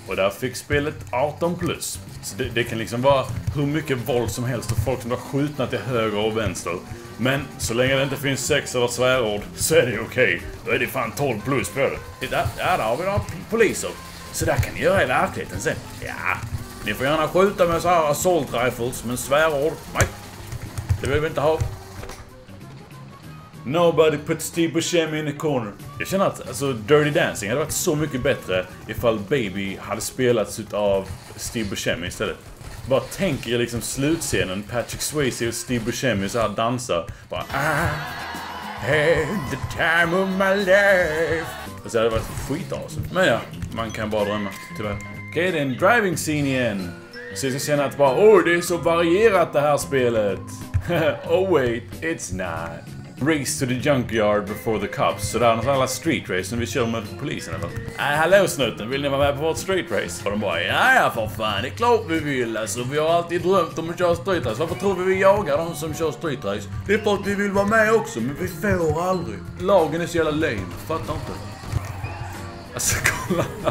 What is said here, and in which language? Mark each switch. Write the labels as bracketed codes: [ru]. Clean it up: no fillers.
[sv] Och där fick spelet 18+. Så det kan liksom vara hur mycket våld som helst och folk som har skjutna till höger och vänster. Men så länge det inte finns sex eller svärord så är det okej. Då är det fan 12+ på det. Där har vi några poliser. Så där kan ni göra i verkligheten sen. Ja. Ni får gärna skjuta med så här assault rifles, men svärord, nej. Det vill vi inte ha. [en] Nobody put Steve Buscemi in the corner. [sv] Jag känner att alltså, Dirty Dancing hade varit så mycket bättre ifall Baby hade spelats av Steve Buscemi istället. Bara tänk er liksom slutscenen, Patrick Swayze och Steve Buscemi så här dansar. Bara, [en] I had the time of my life. [sv] Alltså det hade varit skitawesome. Men ja, man kan bara drömma, tyvärr. Okej, det är en driving scene igen. Så jag ska känna att bara, oh, det är så varierat det här spelet. [en] Oh wait, it's not. Race to the junkyard before the cops. [sv] Så där är någon slags street race när vi kör med polisen eller? Hallå snuten, vill ni vara med på vårt street race? Och de bara, jaja för fan, det är klart vi vill. Alltså vi har alltid drömt om att köra street race. Varför tror vi jagar dem som kör street race? Det är för att vi vill vara med också, men vi får aldrig. Lagen är så jävla lame, fattar inte. Alltså kolla.